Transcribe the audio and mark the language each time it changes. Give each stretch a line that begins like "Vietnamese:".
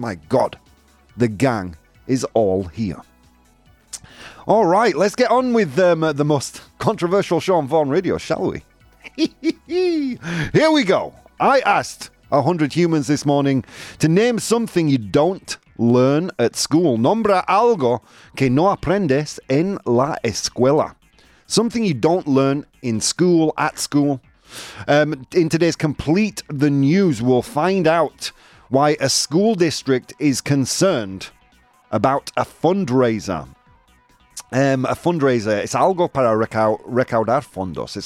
English: My God, the gang is all here. All right, let's get on with the most controversial show on Vaughan Radio, shall we? Here we go. I asked 100 humans this morning to name something you don't learn at school.
Spanish: Nombra algo que no aprendes en la escuela.
English: Something you don't learn in school, at school. In today's Complete the News, we'll find out why a school district is concerned about a fundraiser. A fundraiser, it's
Spanish: algo para recaudar fondos.